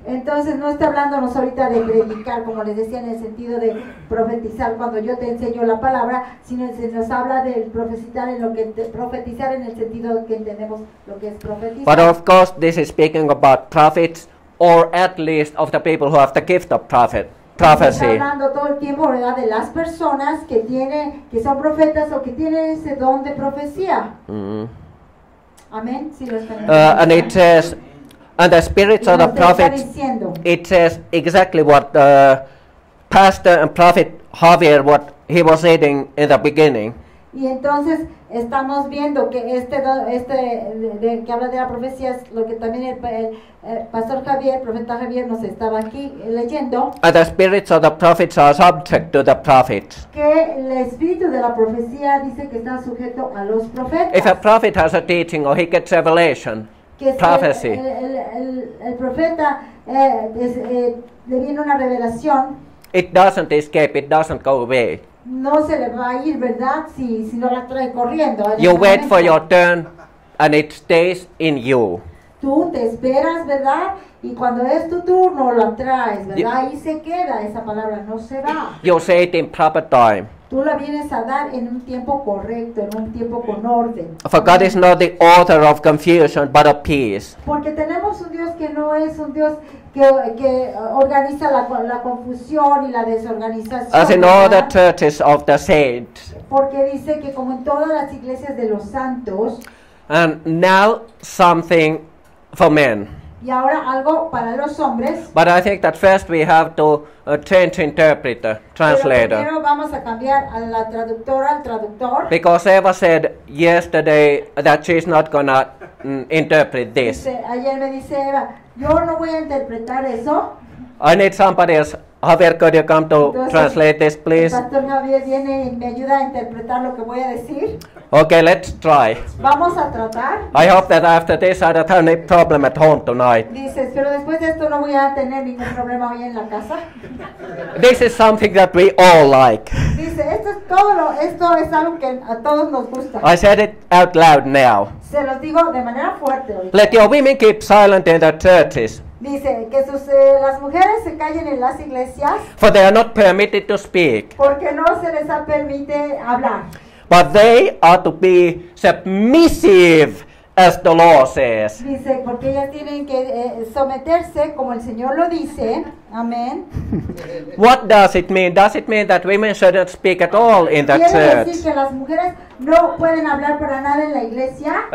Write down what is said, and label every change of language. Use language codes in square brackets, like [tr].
[es] Entonces no está hablándonos ahorita de predicar, como les decía, en el sentido de profetizar cuando yo te enseño la palabra, sino se nos habla de profetizar en lo que profetizar en el sentido que entendemos lo que es profetizar. [en] But of course, this is speaking about prophets, or at least of the people who have the gift of prophecy. [es] Está hablando todo el tiempo, ¿verdad?, de las personas que tienen, que son profetas o que tienen ese don de profecía. [en] And it says, and the spirits of the prophets, it says exactly what the pastor and prophet Javier, what he was reading in the beginning. [es] Y entonces estamos viendo que este que habla de la profecía es lo que también el pastor Javier, profeta Javier, nos estaba aquí leyendo. [en] And the spirits of the prophets are subject to the prophets. [es] Que el espíritu de la profecía dice que está sujeto a los profetas. [en] If a prophet has a teaching or he gets revelation, [es] que [en] prophecy. [es] El profeta le viene una revelación. [en] It doesn't escape, it doesn't go away. [es] No se le va a ir, ¿verdad? Si no la trae corriendo. [en] You wait for your turn and it stays in you. [es] Tú te esperas, ¿verdad? Y cuando es tu turno la traes, ¿verdad? Ahí se queda esa palabra, no se va. [en] You say it in proper time. [es] Tú la vienes a dar en un tiempo correcto, en un tiempo con orden. [en] For God is not the author of confusion, but of peace. [es] Porque tenemos un Dios que no es un Dios que organiza la confusión y la desorganización. [en] As in all the churches of the saints. [es] Porque dice que como en todas las iglesias de los santos. [en] And now something for men. [es] Y ahora algo para los hombres. [en] But I think that first we have to change interpreter, translator. [es] Pero primero vamos a cambiar a la traductora, al traductor. [en] Because Eva said yesterday that she's not gonna interpret this. [es] Ayer me dice Eva, yo no voy a interpretar eso. [en] I need somebody else. Javier, could you come to [es] entonces, [en] translate this, please? [es] Pastor Javier viene y me ayuda a interpretar lo que voy a decir. [en] Okay, let's try. [es] Vamos a tratar. [en] I hope that after this I don't have any problem at home tonight. [es] Dice, pero después de esto no voy a tener ningún problema hoy en la casa. [en] This is something that we all like. [es] Dice, esto es algo que a todos nos gusta. [en] I said it out loud now. Se los digo de manera fuerte hoy. Let your women keep silent in the churches. [es] Dice que sus las mujeres se callen en las iglesias. [en] For they are not permitted to speak. [es] Porque no se les permite hablar. [en] But they are to be submissive as the law says. [es] Dice, porque ellas tienen que someterse como el Señor lo dice. Amen. [en] What does it mean? Does it mean that women shouldn't speak at all in the church? [es] ¿Quiere decir que las mujeres no pueden hablar para nada en la iglesia?